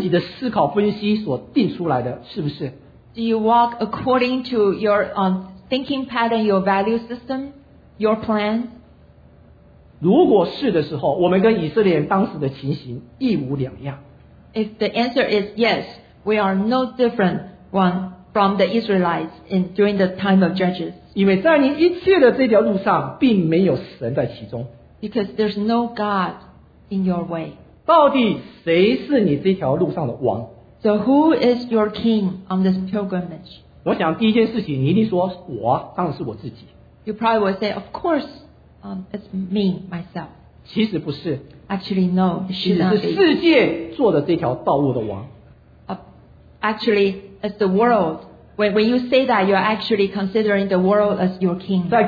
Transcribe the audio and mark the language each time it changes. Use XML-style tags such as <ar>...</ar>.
<zh>你是根据你所领受的知识，你所得到的见识，还有你自己的思考分析所定出来的，是不是？</zh> <en>Do you walk according to your thinking pattern, your value system, your plan?</en> <zh>如果是的时候，我们跟以色列人当时的情形一无两样。</zh> <en>If the answer is yes, we are no different one from the Israelites in during the time of Judges.</en> <zh>因为在你一切的这条路上，并没有神在其中。</zh> <en>Because there's no God in your way.</en> <zh>到底谁是你这条路上的王？</zh> <en>So who is your king on this pilgrimage?</en> <zh>我想第一件事情，你一定说我，当然是我自己。</zh> <en>You probably would say, of course, it's me, myself.</en> <zh>其实不是。</zh> <en>Actually, no, it should not be.</en> <zh>其实是世界做的这条道路的王。</zh> <en>Actually, it's the world. When you say that, you're actually considering the world as your king.</en>